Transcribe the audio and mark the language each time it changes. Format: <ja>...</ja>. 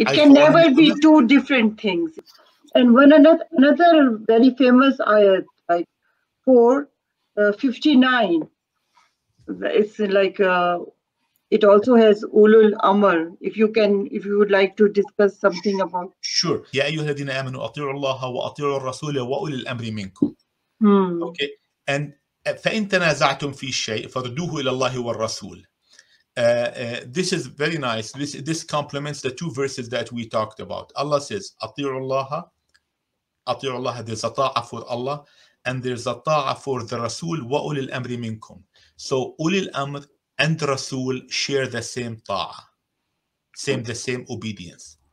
<en>It can never be two different things. And one another very famous ayat, like 459. It's like it also has ulul amr. If you would like to discuss something about. Sure.</en> <ar>يا أيها الذين آمنوا أطيعوا الله وأطيعوا الرسول وأولي الأمر منكم.</ar> <en>Okay.</en> <ar>And فإن تنازعتم في شيء فردوه إلى الله والرسول.</ar> <en>This is very nice. This complements the two verses that we talked about. Allah says,</en> <ar>أطيعوا الله,</ar> <en>there's a ta'a for Allah, and there's a ta'a for the Rasul,</en> <ar>وَأُولِي الْأَمْرِ مِنْكُمْ.</ar> <en>So, أُولِي الْأَمْرِ and Rasul share the same ta'a, the same obedience.</en>